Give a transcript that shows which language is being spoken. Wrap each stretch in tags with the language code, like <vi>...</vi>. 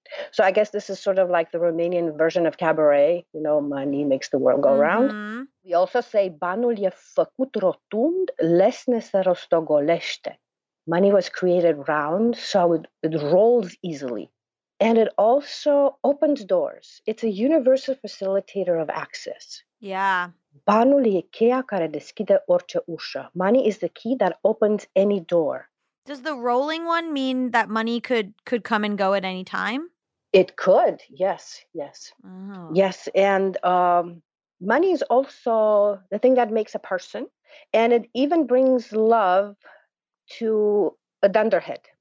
<en>So I guess this is sort of like the Romanian version of cabaret. You know, money makes the world go round. Mm-hmm. We also say</en> <ro>banul e făcut rotund, lesne se rostogolește.</ro> <en>Money was created round, so it rolls easily. And it also opens doors. It's a universal facilitator of access. Yeah.</en> <ro>Banul e cheia care deschide orice ușă.</ro> <en>Money is the key that opens any door. Does the rolling one mean that money could come and go at any time? It could, yes, yes. Oh. Yes, and money is also the thing that makes a person. And it even brings love to a dunderhead.</en>